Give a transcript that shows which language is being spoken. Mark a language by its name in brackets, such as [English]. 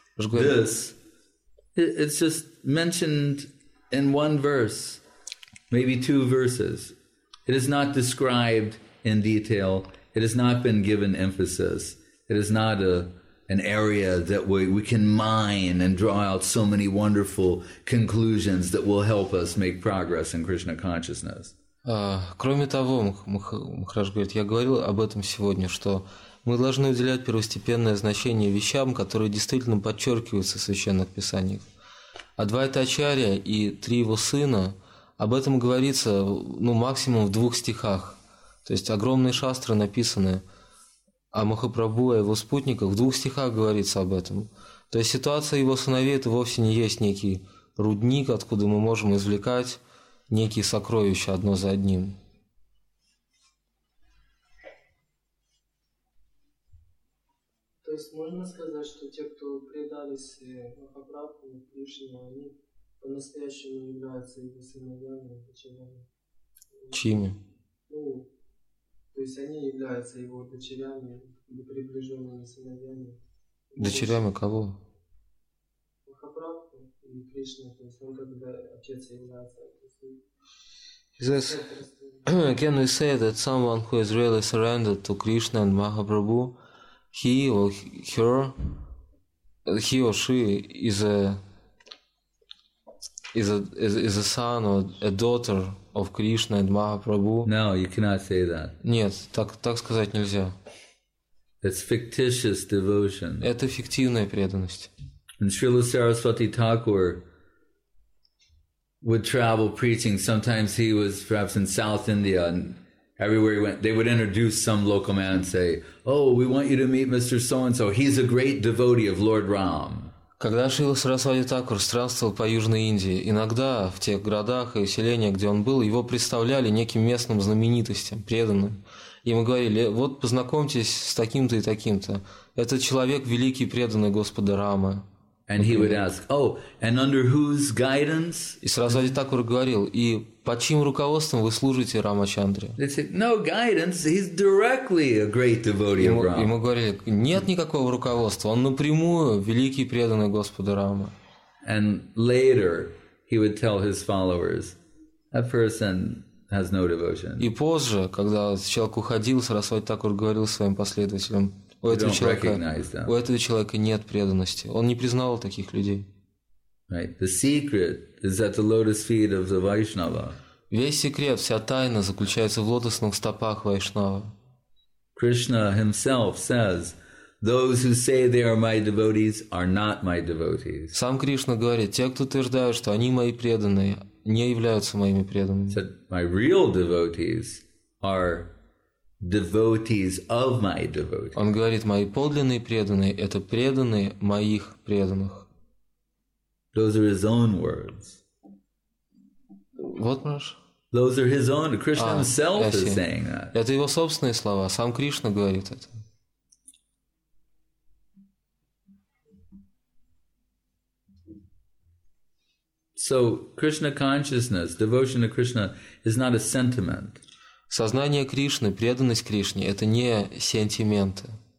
[English] This, it's just mentioned in one verse, maybe two verses. It is not described in detail. It has not been given emphasis. It is not an area that we can mine and draw out so many wonderful conclusions that will help us make progress in Krishna consciousness. [Russian] Кроме того, Махарадж говорит, я говорил об этом сегодня, что мы должны уделять первостепенное значение вещам, которые действительно подчеркиваются в священных писаниях. Адвайта Ачарья и три его сына, об этом говорится ну, максимум в двух стихах. То есть огромные шастры написаны о Махапрабху и его спутниках. В двух стихах говорится об этом. То есть ситуация его сыновей – это вовсе не есть некий рудник, откуда мы можем извлекать некие сокровища одно за одним. То есть можно сказать, что те, кто предались Махапрабху и Кришне, они по-настоящему являются его сыновьями и дочерями? Чьими? То есть они являются его дочерями, приближенными сыновьями. Дочерями кого? Махапрабху и Кришна, то есть он как бы отец является. [English] He says, can we say that someone who is really surrendered to Krishna and Mahaprabhu, he or she is a son or a daughter of Krishna and Mahaprabhu? No, you cannot say that. [Russian] Нет, так сказать нельзя. [English] It's fictitious devotion. [Russian] Это фиктивная преданность. [English] And Srila Saraswati Thakur would travel preaching. Sometimes he was perhaps in South India, and Everywhere he went, they would introduce some local man and say, "Oh, we want you to meet Mr. So-and-so. He's a great devotee of Lord Ram." [Russian] Когда Шрила Сарасвати Такур странствовал по Южной Индии, иногда в тех городах и селениях, где он был, его представляли неким местным знаменитостям, преданным. И мы говорили, вот познакомьтесь с таким-то и таким-то. Этот человек великий, преданный Господа Рамы. [English] And he would ask, oh, and under whose guidance? [Russian] И Сарасвати Такур говорил, и под чьим руководством вы служите Рамачандре? [English] They said, no guidance, he's directly a great devotee of Rama. [Russian] И мы говорили, нет никакого руководства, он напрямую великий преданный Господа Рама. [English] And later, he would tell his followers, that person has no devotion. [Russian] И позже, когда человек уходил, Сарасвати Такур говорил своим последователям, у этого, человека, у этого человека нет преданности. Он не признавал таких людей. [English] Right. The secret is at the lotus feet of the Vaishnava. [Russian] Весь секрет, вся тайна заключается в лотосных стопах Вайшнава. [English] Krishna himself says, "Those who say they are my devotees are not my devotees." [Russian] Сам Кришна говорит, те, кто утверждают, что они мои преданные, не являются моими преданными. [English] Said, "My real devotees are devotees of my devotees." [Russian] Он говорит, мои подлинные преданные — это преданные моих преданных. [English] Those are his own words. [Russian] Вот наш. [English] Those are his own. Krishna himself is saying that. [Russian] Это его собственные слова. Сам Кришна говорит это. [English] So Krishna consciousness, devotion to Krishna, is not a sentiment. [Russian] Сознание Кришны, преданность Кришне — это не сентименты.